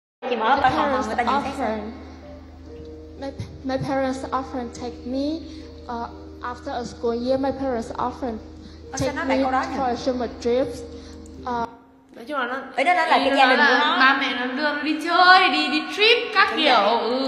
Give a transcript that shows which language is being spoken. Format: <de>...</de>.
<vi>Chị mở cửa phòng người ta nhìn thấy.</vi> <en>My parents often take me after a school year. My parents often take me for summer trips.</en> <vi>Nói chung là nó là cái gia đình của nó. Ba mẹ nó đưa nó đi chơi, đi trip các kiểu.</vi>